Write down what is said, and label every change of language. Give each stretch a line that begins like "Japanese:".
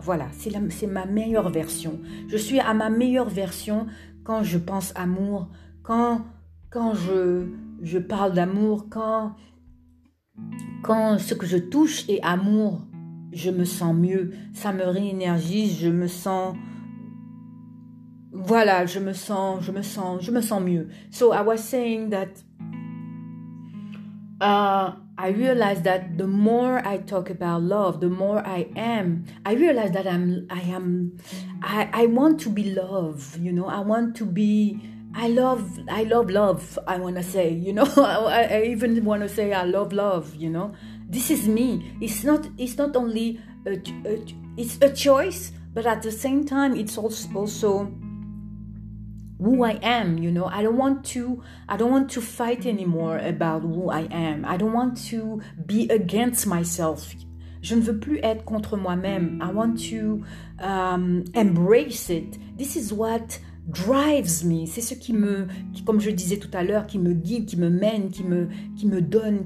French: Voilà, c'est ma meilleure version. Je suis à ma meilleure version quand je pense amour, quand je parle d'amour, quand ce que je touche est amour, je me sens mieux, ça me réénergise, je me sens mieux.
English: So I was saying that I realized that the more I talk about love, the more I want to be love, you know. I love love, I want to say, you know. I love love, you know. This is me. It's not only a choice, but at the same time, it's also who I am, you know. I don't want to fight anymore about who I am. I don't want to be against myself.
French: Je ne veux plus être contre moi-même.
English: I want to embrace it. This is what drives me.
French: C'est ce qui, comme je disais tout à l'heure, qui me guide, qui me mène, qui me donne.